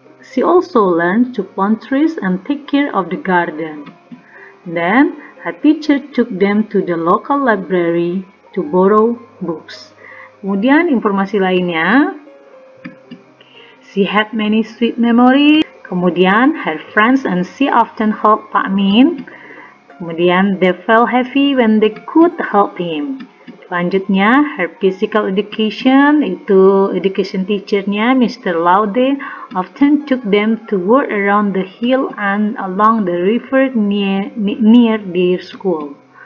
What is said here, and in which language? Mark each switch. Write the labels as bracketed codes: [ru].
[en] She also learned to plant trees and take care of the garden. Then, a teacher took them to the local library to borrow books. [id] Kemudian, informasi lainnya. [en] She had many sweet memories. [id] Kemudian, [en] her friends and she often helped Pak Min. [id] Kemudian, [en] they felt happy when they could help him. [id] Selanjutnya, [en] her physical education, [id] itu [en] education teacher-nya, Mr. Laude, often took them to walk around the hill and along the river near their school.